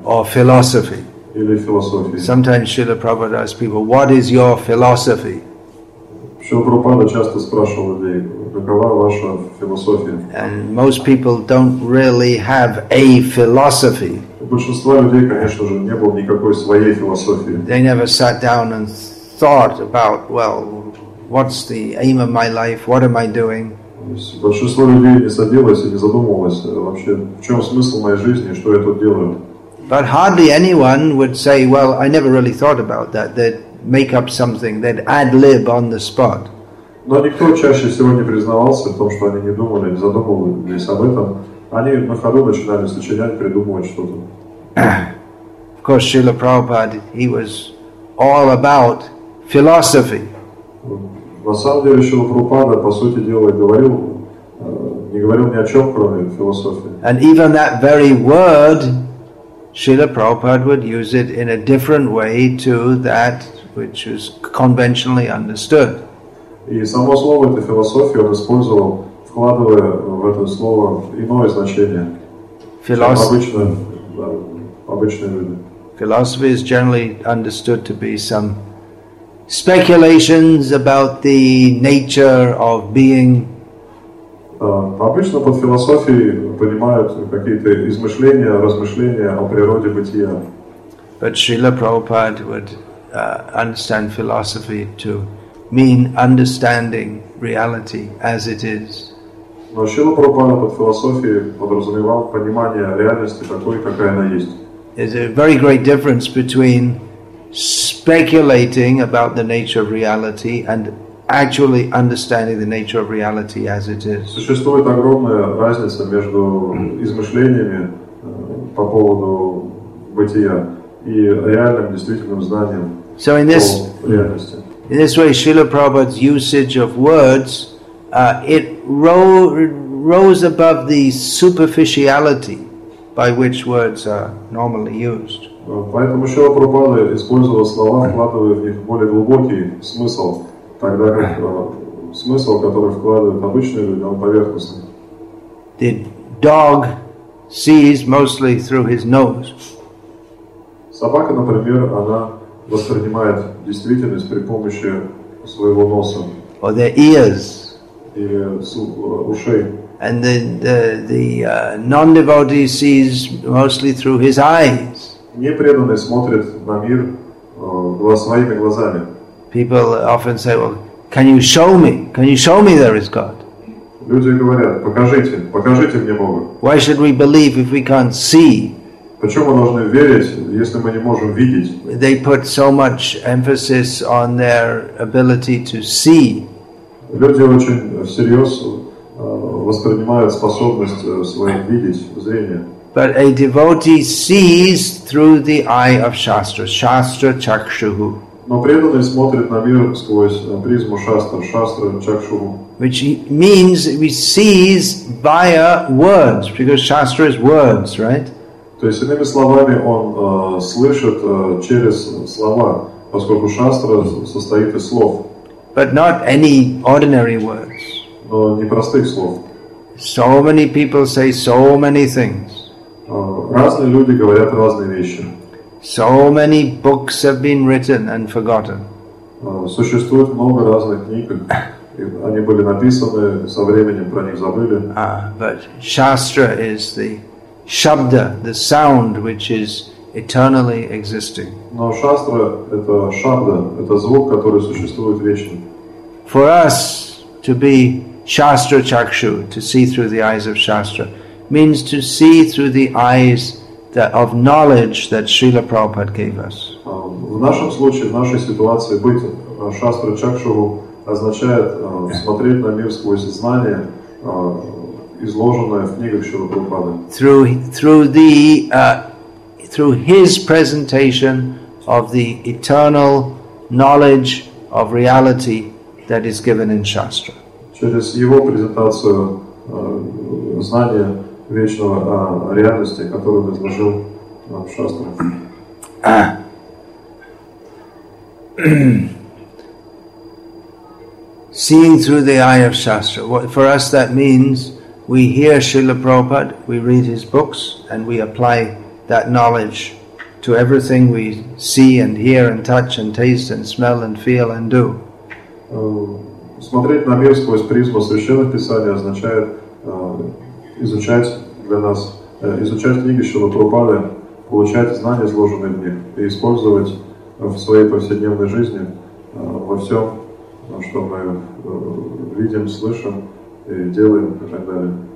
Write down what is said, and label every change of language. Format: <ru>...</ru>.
<en>Or philosophy.</en> <ru>Или философии.</ru> <en>Sometimes Srila Prabhupada asks people, what is your philosophy?</en> <ru>Srila Prabhupada часто спрашивал людей, какова ваша философия?</ru> <en>And most people don't really have a philosophy.</en> <ru>Большинство людей, конечно же, не было никакой своей философии.</ru> <en>They never sat down and thought about, well, what's the aim of my life? What am I doing?</en> <ru>Большинство людей не садилось и не задумывалось вообще, в чем смысл моей жизни, что я тут делаю.</ru> <en>But hardly anyone would say, well, I never really thought about that. They'd make up something, they'd ad lib on the spot.</en> <ru>Но никто чаще всего не признавался в том, что они не думали, не задумывались об этом. Они на ходу начинали сочинять, придумывать что-то.</ru> <en>Of course, Srila Prabhupada, he was all about philosophy.</en> <ru>На самом деле, Srila Prabhupada, по сути дела, говорил, не говорил ни о чем, кроме философии.</ru> <en>And even that very word, Srila Prabhupada would use it in a different way to that which was conventionally understood.</en> <ru>И само слово этой философии он использовал, вкладывая в это слово иное значение, чем обычные люди.</ru> <en>Philosophy is generally understood to be some speculations about the nature of being.</en> <ru>Обычно под философией понимают какие-то измышления, размышления о природе бытия.</ru> <en>But Srila Prabhupada would understand philosophy to mean understanding reality as it is.</en> <ru>Но Шрила Прабхупада под философией подразумевал понимание реальности такой, какая она есть.</ru> <en>There's a very great difference between speculating about the nature of reality and actually understanding the nature of reality as it is.</en> <ru>Существует огромная разница между измышлениями по поводу бытия и реальным, действительным знанием о реальности.</ru> <en>In this way, Srila Prabhupada's usage of words, it rose above the superficiality by which words are normally used.</en> <ru>Поэтому Шрила Прабхупада использовал слова, вкладывая в них более глубокий смысл, тогда как смысл, который вкладывают обычные люди, он поверхностный.</ru> <en>The dog sees mostly through his nose.</en> <ru>Собака, например, она воспринимает действительность при помощи своего носа.</ru> <en>Or their ears.</en> <ru>И ушей.</ru> <en>And the non-devotee sees mostly through his eyes.</en> <ru>Непреданный смотрит на мир своими глазами.</ru> <en>People often say, "Well, can you show me? Can you show me there is God?"</en> <ru>Люди говорят, покажите мне Бога.</ru> <en>Why should we believe if we can't see?</en> <ru>Почему мы должны верить, если мы не можем видеть?</ru> <en>They put so much emphasis on their ability to see.</en> <ru>Люди очень всерьез воспринимают способность свою видеть, зрение.</ru> <en>But a devotee sees through the eye of Shastra, Shastra Chakshuhu.</en> <ru>Но преданный смотрит на мир сквозь призму Шастра, Шастра Чакшуху.</ru> <en>Which means he sees via words, because Shastra is words, right?</en> <ru>То есть, иными словами, он слышит через слова, поскольку Шастра состоит из слов.</ru> <en>But not any ordinary words.</en> <ru>Но не простых слов.</ru> <en>So many people say so many things.</en> <ru>Разные люди говорят разные вещи.</ru> <en>So many books have been written and forgotten.</en> <ru>Существует много разных книг. Они были написаны, со временем про них забыли.</ru> <en>But Shastra is the Shabda, the sound which is eternally existing.</en> <ru>Но Шастра — это Шабда, это звук, который существует вечно.</ru> <en>For us to be Shastra Chakshu, to see through the eyes of Shastra, means to see through the eyes that of knowledge that Srila Prabhupada gave us.</en> <ru>В нашем случае, в нашей ситуации, быть Шастра Чакшу означает смотреть на мир сквозь знания, изложенное в книгах Шрила Прабхупады.</ru> <en>Through his presentation of the eternal knowledge of reality that is given in Shastra.</en> <ru>Через его презентацию знания вечного реальности, которую изложил в Шастре.</ru> <en>Seeing through the eye of Shastra. For us that means we hear Srila Prabhupada, we read his books, and we apply that knowledge to everything we see and hear and touch and taste and smell and feel and do.</en> <ru>Смотреть на мир сквозь призму Священного Писания означает изучать для нас, изучать книги Шрилы Прабхупады, получать знания, изложенные в них, и использовать в своей повседневной жизни во всем, что мы видим, слышим и делаем, и так далее.</ru>